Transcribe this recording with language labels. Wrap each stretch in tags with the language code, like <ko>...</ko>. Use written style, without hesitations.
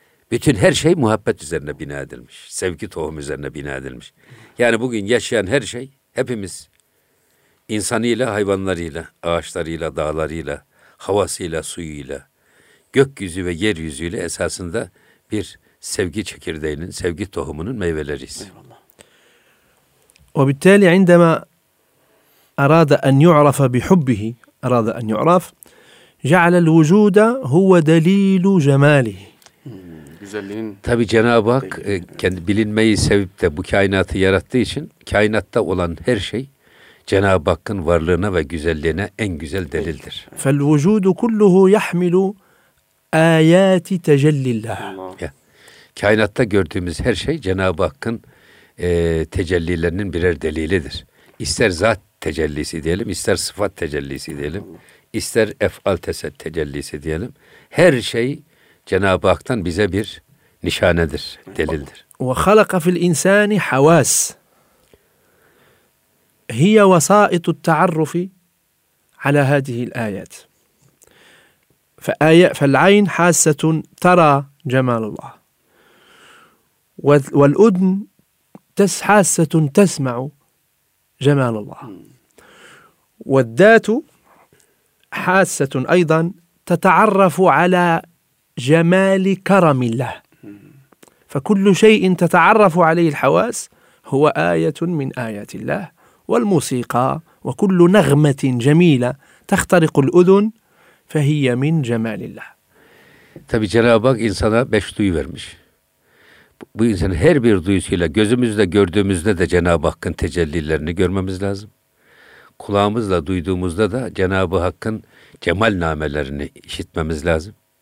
<tr>Bütün her şey muhabbet üzerine bina edilmiş. Sevgi tohumu üzerine bina edilmiş. Yani bugün yaşayan her şey, hepimiz insanıyla, hayvanlarıyla, ağaçlarıyla, dağlarıyla, havasıyla, suyuyla, gökyüzü ve yeryüzüyle esasında bir sevgi çekirdeğinin, sevgi tohumunun meyveleriyiz. Eyvallah.</tr> <ar>وبالتالي عندما أراد أن يعرف بحبه أراد أن يعرف جعل الوجود هو دليل جماله.</ar> <tr>Tabii Cenab-ı Hak kendi bilinmeyi sevip de bu kainatı yarattığı için kainatta olan her şey Cenab-ı Hakk'ın varlığına ve güzelliğine en güzel delildir.</tr> <ar>فَالْوُجُودُ كُلُّهُ يَحْمِلُ آيَاتِ تَجَلِّ اللّٰهِ</ar> <tr>Kainatta gördüğümüz her şey Cenab-ı Hakk'ın tecellilerinin birer delilidir. İster zat tecellisi diyelim, ister sıfat tecellisi diyelim, ister ef'al tecellisi diyelim. Her şey Cenab-ı Hak'tan bize bir nişanedir, delildir.</tr> <ar>وَخَلَقَ فِي الْاِنْسَانِ حَوَاسِ هي وسائط التعرف على هذه الآيات فالعين حاسة ترى جمال الله والأذن حاسة تسمع جمال الله والذات حاسة أيضا تتعرف على جمال كرم الله فكل شيء تتعرف عليه الحواس هو آية من آيات الله والموسيقى وكل نغمة جميلة تخترق الأذن فهي من جمال الله.</ar> <tr>Tabii Cenab-ı Hak insana beş duyu vermiş. Bu insanın her bir duyusuyla gözümüzle gördüğümüzde de Cenab-ı Hakk'ın tecellilerini görmemiz lazım. Kulağımızla duyduğumuzda da Cenab-ı Hakk'ın cemal namelerini işitmemiz lazım.</tr>